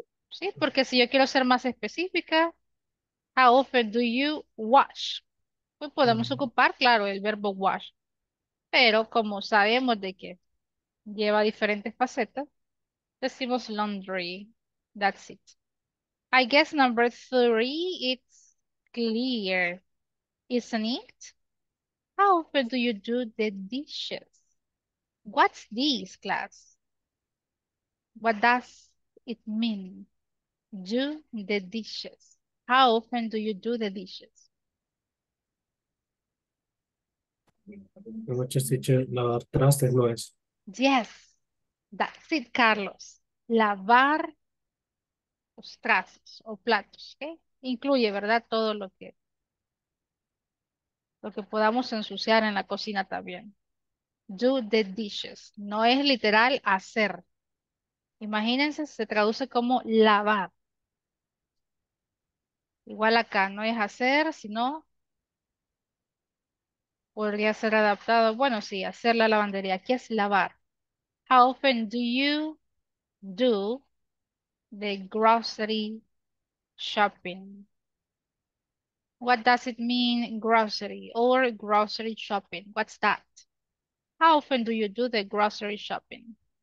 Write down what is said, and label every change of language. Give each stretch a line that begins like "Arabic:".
Spanish: Sí, porque si yo quiero ser más específica.
English: How often do you wash?
Spanish: Pues podemos ocupar, claro, el verbo wash. Pero como sabemos de que lleva diferentes facetas, decimos laundry.
English: That's it. I guess number three, it's clear, isn't it? How often do you do the dishes? What's this class? What does it mean? Do the dishes. How often do you do the dishes?
Spanish: Noches, teacher, lavar trastes no es.
English: Yes, that's it,
Spanish: Carlos. Lavar los trastes o platos, ¿eh? Incluye, ¿verdad? Todo lo que podamos ensuciar en la cocina también.
English: Do the dishes.
Spanish: No es literal hacer. Imagínense, se traduce como lavar. Igual acá no es hacer, sino podría ser adaptado. Bueno, sí, hacer la lavandería. Aquí es lavar.
English: How often do you do the grocery shopping? What does it mean, grocery or grocery shopping? What's that? How often do you do the grocery shopping?